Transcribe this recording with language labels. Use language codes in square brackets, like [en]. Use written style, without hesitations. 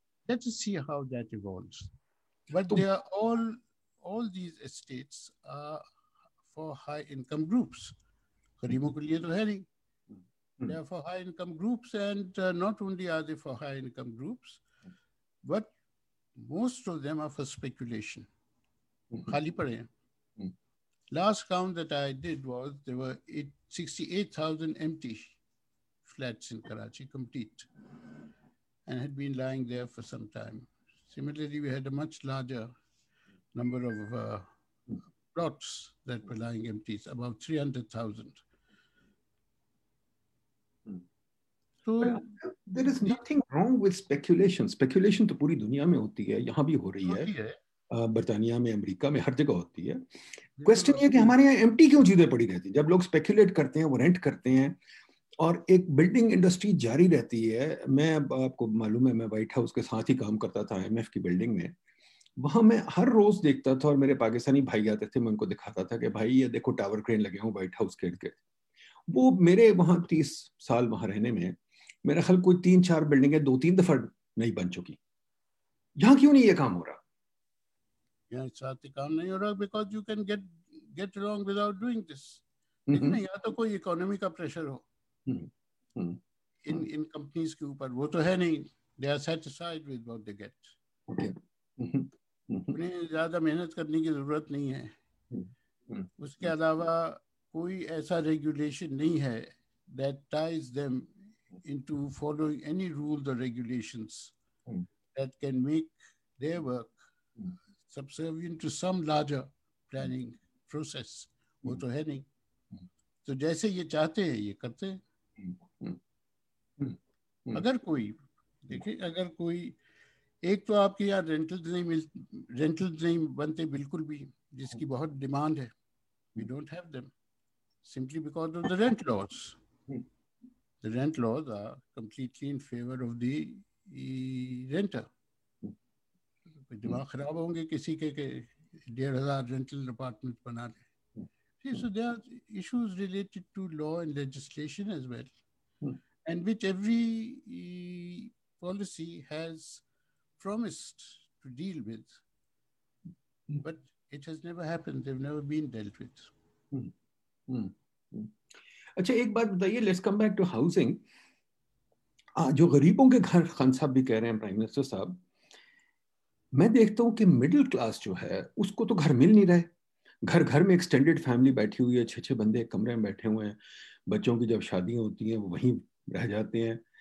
[en] let's see how that evolves, but they are all these estates are for high income groups, [hi] गरीबों के लिए तो है नहीं, [en] They are for high income groups, and not only are they for high income groups but most of them are for speculation. [hi] Khali pade hain. [en] Last count that I did was there were 68,000 empty flats in Karachi, complete, and had been lying there for some time. Similarly, we had a much larger number of plots that were lying empty, about 300,000. So, there is nothing wrong with speculation. [hi] Speculation तो पूरी दुनिया में होती है, यहाँ भी हो रही है, बर्तानिया में, अमेरिका में, हर जगह होती है। Question ये कि हमारे यहाँ empty क्यों चीजें पड़ी रहती हैं? जब लोग speculate करते हैं, वो rent करते हैं, और एक building industry जारी रहती है। मैं आपको मालूम है, मैं White House के साथ ही काम करता था IMF की building में। वहां मैं हर रोज देखता था, और मेरे पाकिस्तानी भाई आते थे, मैं उनको दिखाता था कि भाई ये देखो टावर क्रेन लगे हुए व्हाइट हाउस के इर्द-गिर्द। वो मेरे वहां 30 साल वहां रहने में मेरे ख्याल कोई 3-4 बिल्डिंग है 2-3 दफा नहीं बन चुकी। यहाँ क्यों नहीं ये काम हो रहा? यहाँ साथ काम नहीं हो रहा [en] Because you can get wrong without doing this. [hi] यहाँ तो कोई इकोनॉमी का प्रेशर हो इन इन कंपनीज के ऊपर, वो तो है नहीं, [en] They are satisfied with what they get. [hi] उन्हें ज्यादा मेहनत करने की जरूरत नहीं है। उसके अलावा कोई ऐसा रेगुलेशन नहीं है [en] That ties them into following any rules or regulations that can make their work subservient to some larger planning process. [hi] वो तो है नहीं, तो जैसे ये चाहते हैं ये करते हैं। अगर कोई देखिए, अगर कोई एक तो आपके यहाँ rentals नहीं बनते बिल्कुल भी, जिसकी बहुत डिमांड है, [en] we don't have them simply because of the rent laws. The rent laws are completely in favor of the renter. [hi] दिमाग खराब होंगे किसी के 1,500 rental apartments बना ले। [en] See, so there are issues related to law and legislation as well, and which every policy has promised to deal with, but it has never happened. They've never been dealt with. [hi] अच्छा एक बात बताइए, [en] Let's come back to housing. [hi] जो गरीबों के घर खान साहब भी कह रहे हैं, प्राइम मिनिस्टर साहब, मैं देखता हूँ कि मिडिल क्लास जो है उसको तो घर मिल नहीं रहे। घर घर में एक्सटेंडेड फैमिली बैठी हुई है, 6-6 बंदे एक कमरे में बैठे हुए हैं, बच्चों की जब शादियाँ होती हैं वो वहीं रह जाते हैं।